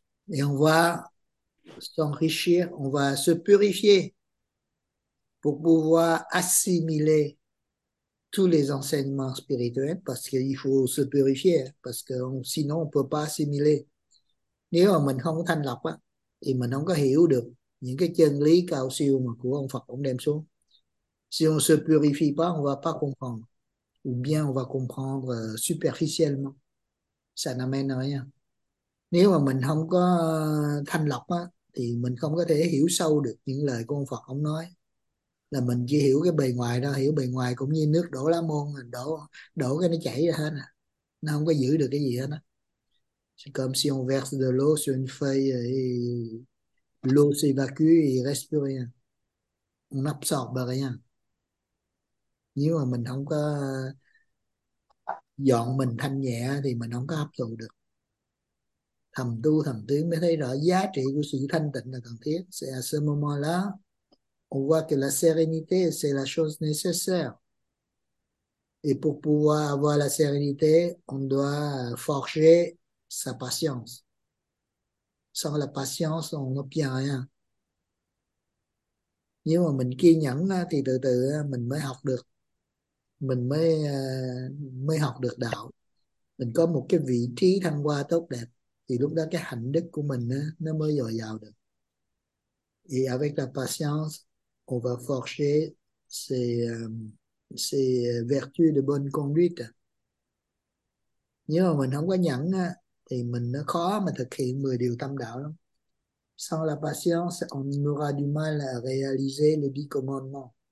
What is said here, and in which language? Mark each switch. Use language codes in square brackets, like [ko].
[fr] Et on va s'enrichir, on va se purifier pour pouvoir assimiler tous les enseignements spirituels, parce qu'il faut se purifier, parce que sinon on ne peut pas assimiler. [vi] Nếu mà mình không thanh lọc á, thì mình không có hiểu được những cái chân lý cao siêu mà của ông Phật ông đem xuống. [fr] Si on se purifie pas, on va pas comprendre. Ou bien on va comprendre superficiellement. Ça n'amène à rien. [vi] Nếu mà mình không có thanh lọc á, thì mình không có thể hiểu sâu được những lời của ông Phật ông nói. Là mình chỉ hiểu cái bề ngoài đó, hiểu bề ngoài cũng như nước đổ lá muôn, đổ đổ cái nó chảy ra hết nè. Nó không có giữ được cái gì hết á. [fr] C'est comme si on verse de l'eau sur une feuille et l'eau s'évacue et il reste plus rien. On n'absorbe rien. [vi] Nếu mà mình không có dọn mình thanh nhẹ thì mình không có hấp thụ được. Thầm tu thầm tiến mới thấy rõ giá trị của sự thanh tịnh là cần thiết. [fr] C'est à ce moment-là, on voit que la sérénité, c'est la chose nécessaire. Et pour pouvoir avoir la sérénité, on doit forger sa patience. Sans la patience, on n'obtient rien. [vi] Nếu mà mình kiên nhẫn thì từ từ mình mới học được. Mình mới mới học được đạo. Mình có một cái vị trí thăng hoa tốt đẹp thì lúc đó cái hạnh đức của mình nó mới dồi dào được. [fr] Et avec la patience, on va forger ses vertus de bonne conduite. [vi] Nếu mà mình không có nhẫn thì mình nó khó mà thực hiện 10 điều tâm đạo lắm. [fr] Sans la patience, on aura du mal à réaliser les 10 commandements.